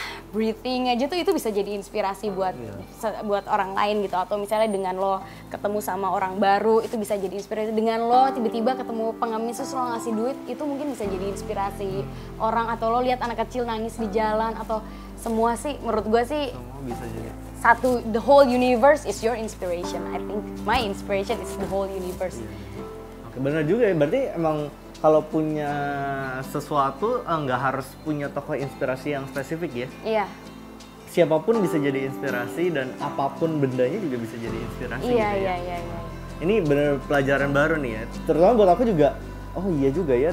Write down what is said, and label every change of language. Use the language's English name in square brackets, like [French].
[Indonesian] breathing aja tuh itu bisa jadi inspirasi buat buat orang lain gitu, atau misalnya dengan lo ketemu sama orang baru itu bisa jadi inspirasi, dengan lo tiba-tiba ketemu pengemis terus lo ngasih duit itu mungkin bisa jadi inspirasi orang, atau lo lihat anak kecil nangis di jalan, atau semua sih menurut gue sih semua bisa jadi [English] satu, the whole universe is your inspiration, I think my inspiration is the whole universe. [Indonesian] Oke, benar juga ya, berarti emang kalau punya sesuatu nggak harus punya tokoh inspirasi yang spesifik ya? Iya. Siapapun bisa jadi inspirasi dan apapun bendanya juga bisa jadi inspirasi. Iya gitu ya. Iya. Ini benar pelajaran baru nih ya. Terutama buat aku juga. Oh iya juga ya.